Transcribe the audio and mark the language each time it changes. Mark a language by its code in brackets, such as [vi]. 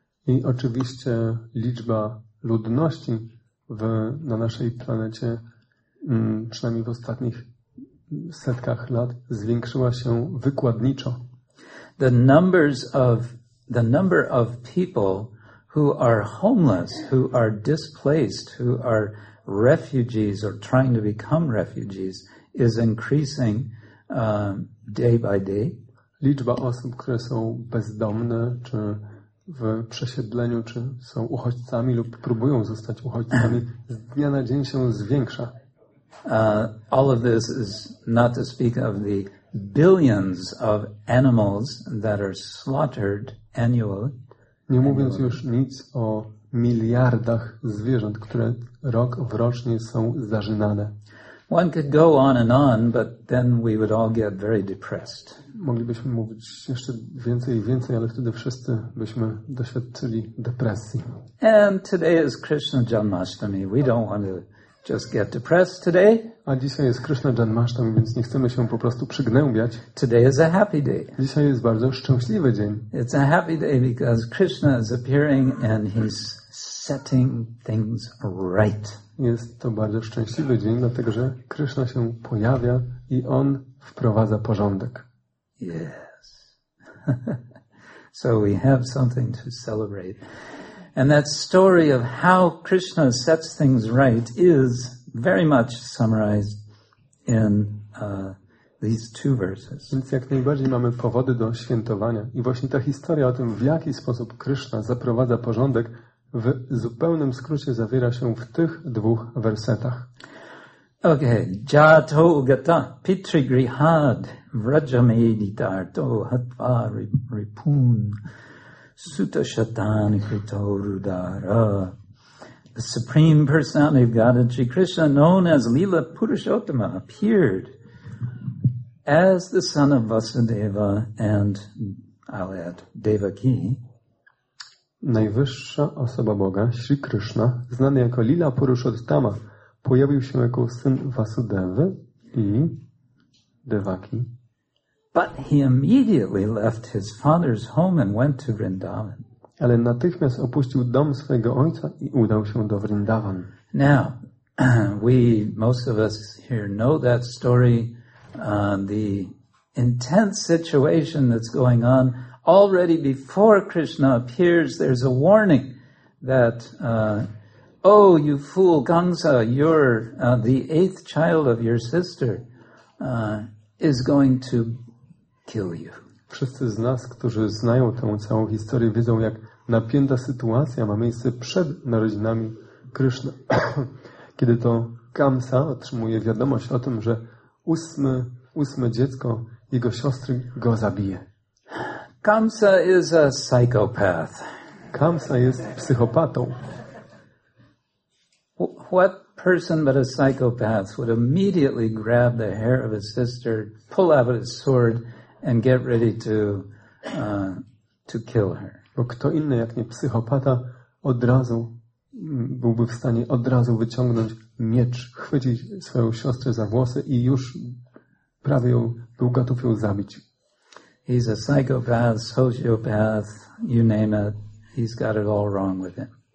[pl] I oczywiście liczba ludności na naszej planecie, przynajmniej w ostatnich setkach lat, zwiększyła się wykładniczo. [en] The number of people who are homeless, who are displaced, who are refugees or trying to become refugees is increasing day by day. [pl] Liczba osób, które są bezdomne, czy w przesiedleniu, czy są uchodźcami lub próbują zostać uchodźcami, z dnia na dzień się zwiększa. [en] All of this is not to speak of the billions of animals that are slaughtered annually. [pl] Nie mówiąc już nic o miliardach zwierząt, które rok w rocznie są zażynane. [en] One could go on and on, but then we would all get very depressed. [pl] Moglibyśmy mówić jeszcze więcej i więcej, ale wtedy wszyscy byśmy doświadczyli depresji. [en] And today is Krishna Janmashtami. We don't want to just get depressed today. [pl] A dzisiaj jest Krishna Janmashtami, więc nie chcemy się po prostu przygnębiać. [en] Today is a happy day. [pl] Dzisiaj jest bardzo szczęśliwy dzień. [en] It's a happy day because Krishna is appearing and he's setting things right. [pl] Jest to bardzo szczęśliwy dzień, dlatego że Krishna się pojawia i on wprowadza porządek. [en] Yes. So we have something to celebrate. And that story of how Krishna sets things right is very much summarized in these two verses. [pl] Więc jak najbardziej mamy powody do świętowania. I właśnie ta historia o tym, w jaki sposób Krishna zaprowadza porządek, w zupełnym skrócie zawiera się w tych dwóch wersetach. [sa] Okay. Jato gata pitri grihad vrajamedidar to hatva ripun suta shatan krito rudara. [en] The Supreme Personality of Godhead, Sri Krishna, known as Lila Purushottama, appeared as the son of Vasudeva and, I'll add, Devaki. [pl] Najwyższa osoba Boga, Sri Krishna, znany jako Lila Purushottama, pojawił się jako syn Vasudevy i Devaki. [en] But he immediately left his father's home and went to Vrindavan. [pl] Ale natychmiast opuścił dom swojego ojca i udał się do Vrindavan. [en] Now, we, most of us here know that story the intense situation that's going on already before Krishna appears, there's a warning that, oh, you fool, Gangsa, you're the eighth child of your sister, is going to kill you. [pl] Wszyscy z nas, którzy znają tę całą historię, wiedzą, jak napięta sytuacja ma miejsce przed narodzinami Krishna. Kiedy to Kamsa otrzymuje wiadomość o tym, że ósme dziecko jego siostry go zabije. [en] Kamsa is a psychopath. [pl] Kamsa jest psychopatą. [en] What person but a psychopath would immediately grab the hair of his sister, pull out his sword and get ready to kill her? [pl] Bo kto inny jak nie psychopata od razu byłby w stanie od razu wyciągnąć miecz, chwycić swoją siostrę za włosy i już prawie ją, był gotów ją zabić. [en] He's a psychopath, sociopath, you name it. He's got it all wrong with him.